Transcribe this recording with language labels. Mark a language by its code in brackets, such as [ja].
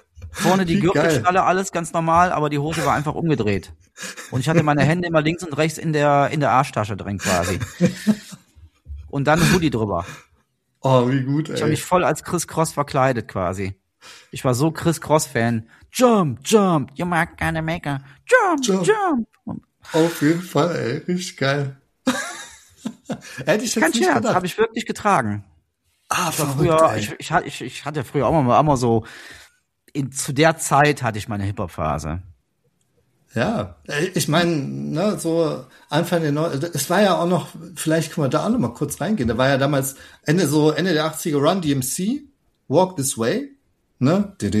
[de] Vorne die Gürtelschnalle, alles ganz normal, aber die Hose war einfach umgedreht. Und ich hatte meine Hände immer links und rechts in der Arschtasche drin quasi. Und dann Hoodie drüber. Oh, wie gut, ey. Ich habe mich voll als Criss Cross verkleidet quasi. Ich war so Criss Cross-Fan. [en] Jump, jump, you might gonna make a jump, jump, jump. [de] Auf jeden Fall, ey, richtig geil. Hätte ich jetzt nicht gedacht. Habe ich wirklich getragen. Ah, ich war früher, ich hatte früher auch immer so, zu der Zeit hatte ich meine Hip-Hop-Phase. Ja, ich meine, ne, so Anfang der 90er, es war ja auch noch, vielleicht können wir da auch noch mal kurz reingehen, da war ja damals Ende der 80er Run DMC, Walk This Way, ne?